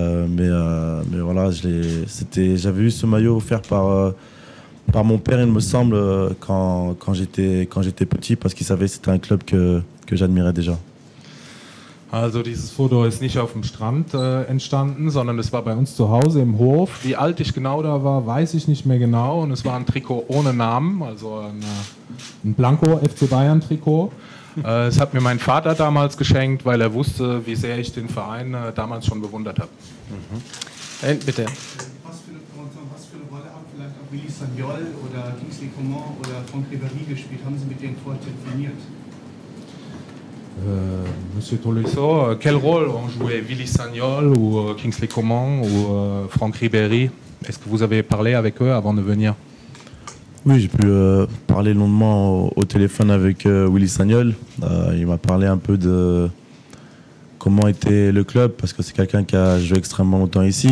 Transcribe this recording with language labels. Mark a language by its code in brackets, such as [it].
[fr] Mais voilà, j'avais eu ce maillot offert par mon père, il me semble, quand j'étais petit, parce qu'il savait que c'était un club que j'admirais déjà. [de] Also dieses Foto ist nicht auf dem Strand entstanden, sondern es war bei uns zu Hause im Hof. Wie alt ich genau da war, weiß ich nicht mehr genau. Und es war ein Trikot ohne Namen, also ein Blanco-FC Bayern-Trikot. Es hat mir mein Vater damals geschenkt, weil er wusste, wie sehr ich den Verein damals schon bewundert habe. Mhm. Hey, bitte. Was für eine Rolle haben vielleicht auch Willy Sagnol oder Kingsley Coman oder Franck Ribéry gespielt? Haben Sie mit denen vorher telefoniert? [fr] Monsieur Tolisso, quel rôle ont joué Willy Sagnol ou Kingsley Coman ou Franck Ribéry? Est-ce que vous avez parlé avec eux avant de venir? Oui, j'ai pu parler longuement au téléphone avec Willy Sagnol. Il m'a parlé un peu de comment était le club, parce que c'est quelqu'un qui a joué extrêmement longtemps ici.